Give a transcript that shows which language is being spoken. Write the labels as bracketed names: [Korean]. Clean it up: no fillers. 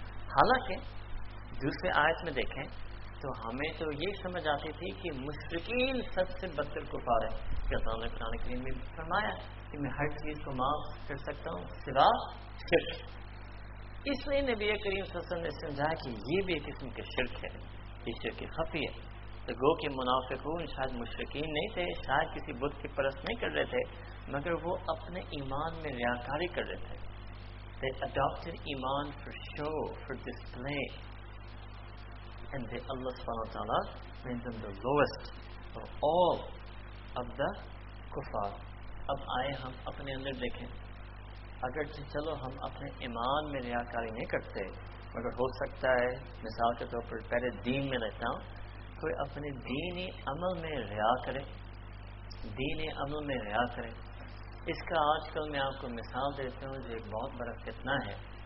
[Urdu] حالانکہ دوسرے آیت میں دیکھیں تو ہمیں تو یہ سمجھ آتی تھی کہ مشرکین سب سے بدتر کفار ہیں, کہ اللہ نے قرآن کریم میں فرمایا کہ میں ہر چیز کو معاف کر سکتا ہوں سوا شرک. اس لیے نبی کریم صلی اللہ علیہ وسلم نے سمجھایا کہ یہ بھی ایک قسم کا شرک ہے, یہ شرک خفی ہے. تو گو کہ منافقون شاید مشرکین نہیں تھے, شاید کسی بت کی پرست نہیں کر رہے تھے, مگر وہ اپنے ایمان میں ریاکاری کر رہے تھے. [English] They adopted ایمان for show, for display. And they, Allah سبحانہ وتعالی, made them the lowest of all of the kuffar. [Urdu] اب آئے ہم اپنے اندر دیکھیں, اگر چلو ہم اپنے ایمان میں ریاکاری نہیں کرتے, مگر ہو سکتا ہے مثال کے طور پر پہلے دین میں رہتا ہوں, کوئی اپنے دینی عمل میں ریا کرے, دینی عمل میں ریا کرے. اس کا آج کل میں آپ کو مثال دیتا ہوں, جو ایک بہت بڑا فتنہ ہے